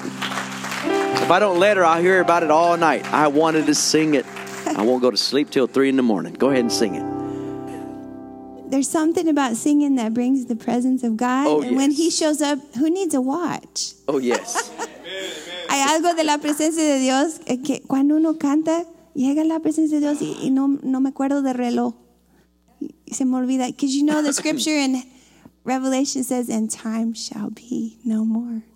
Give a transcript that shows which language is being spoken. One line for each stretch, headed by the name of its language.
English: If I don't let her, I'll hear about it all night. I wanted to sing it. I won't go to sleep till 3 in the morning. Go ahead and sing it. There's something about singing that brings the presence of God. Oh, and yes. When he shows up, who needs a watch? Oh, yes.
Spanish: Hay algo de la presencia de Dios que cuando uno canta, llega la presencia de Dios y no me acuerdo de reloj. Se me olvida.
English: Because you know the scripture in Revelation says, and time shall be no more.